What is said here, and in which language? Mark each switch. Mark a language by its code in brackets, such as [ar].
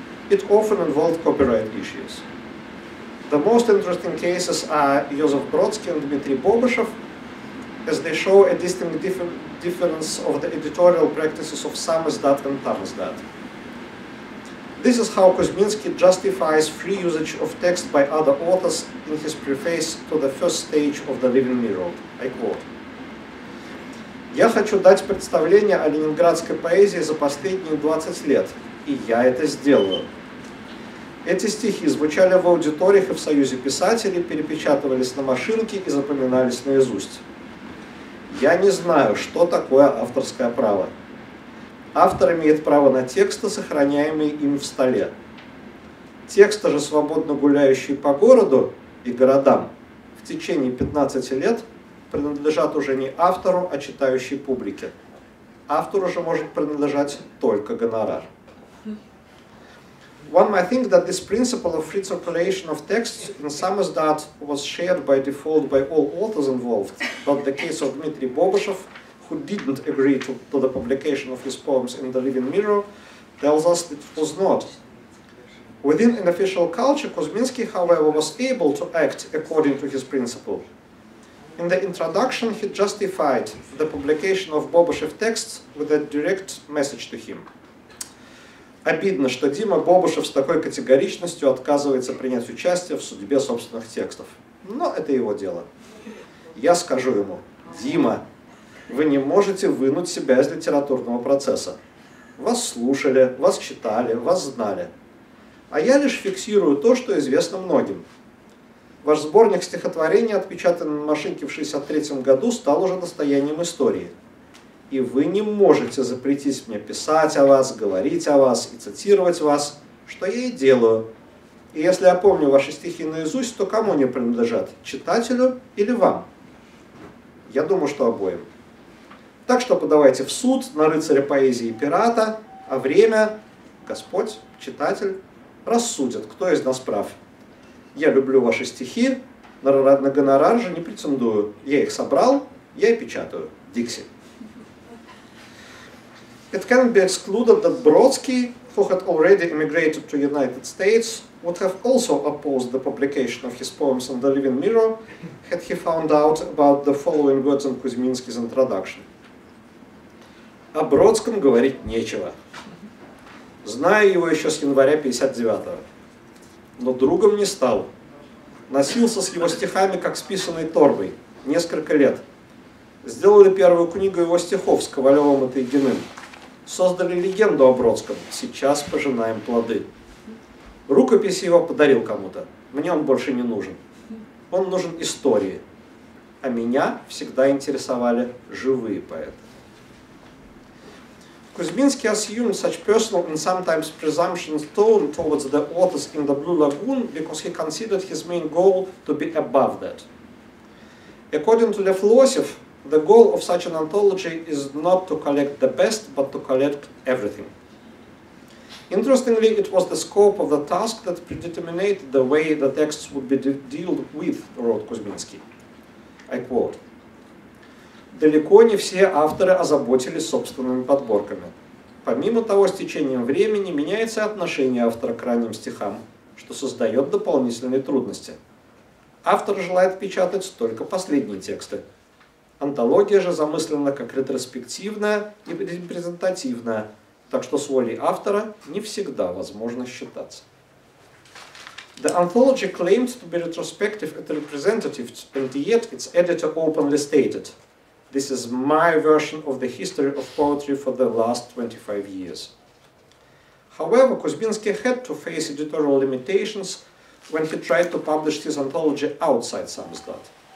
[en] It often involved copyright issues. The most interesting cases are Yosef Brodsky and Dmitry Bobyshev, as they show a distinct difference of the editorial practices of Samizdat and Tamizdat. This is how Kuzminsky justifies free usage of text by other authors in his preface to the first stage of the Living Mirror. I quote, [ru] Я хочу дать представление о ленинградской поэзии за последние 20 лет, и я это сделаю. Эти стихи звучали в аудиториях и в Союзе писателей, перепечатывались на машинке и запоминались наизусть. Я не знаю, что такое авторское право. Автор имеет право на тексты, сохраняемые им в столе. Тексты же, свободно гуляющие по городу и городам, в течение 15 лет принадлежат уже не автору, а читающей публике. Автору же может принадлежать только гонорар. [en] One might think that this principle of free circulation of texts in Samizdat was shared by default by all authors involved, but the case of Dmitry Bobushev, who didn't agree to the publication of his poems in the Living Mirror, tells us it was not. Within an official culture, Kuzminsky, however, was able to act according to his principle. In the introduction, he justified the publication of Bobushev texts with a direct message to him. [ru] Обидно, что Дима Бобушев с такой категоричностью отказывается принять участие в судьбе собственных текстов. Но это его дело. Я скажу ему: Дима, вы не можете вынуть себя из литературного процесса. Вас слушали, вас читали, вас знали. А я лишь фиксирую то, что известно многим. Ваш сборник стихотворений, отпечатанный на машинке в 1963 году, стал уже достоянием истории. И вы не можете запретить мне писать о вас, говорить о вас и цитировать вас, что я и делаю. И если я помню ваши стихи наизусть, то кому они принадлежат? Читателю или вам? Я думаю, что обоим. Так что подавайте в суд на рыцаря поэзии и пирата, а время, Господь, читатель, рассудят, кто из нас прав. Я люблю ваши стихи, на гонорар же не претендую. Я их собрал, я и печатаю. Дикси. [en] It cannot be excluded that Brodsky, who had already immigrated to the United States, would have also opposed the publication of his poems in the Living Mirror, had he found out about the following words in Kuzminsky's introduction. [ru] О Бродском говорить нечего. Знаю его еще с января 59-го. Но другом не стал. Носился с его стихами, как с писаной торбой. Несколько лет. Сделали первую книгу его стихов с Ковалевым и Тайгиным. Создали легенду о Бродском. Сейчас пожинаем плоды. Рукопись его подарил кому-то. Мне он больше не нужен. Он нужен истории. А меня всегда интересовали живые поэты. [en] Kuzminsky assumed such personal and sometimes presumptuous tone towards the authors in the Blue Lagoon because he considered his main goal to be above that. According to Lev Losev, the goal of such an anthology is not to collect the best, but to collect everything. Interestingly, it was the scope of the task that predeterminated the way the texts would be dealt with, wrote Kuzminsky. I quote, [ru] далеко не все авторы озаботились собственными подборками. Помимо того, с течением времени меняется отношение автора к ранним стихам, что создает дополнительные трудности. Автор желает печатать только последние тексты. Антология же замыслена как ретроспективная и репрезентативная, так что с волей автора не всегда возможно считаться. [en] The anthology claimed to be retrospective and representative, and yet its editor openly stated, this is my version of the history of poetry for the last 25 years. However, Kuzminsky had to face editorial limitations when he tried to publish his anthology outside Samizdat.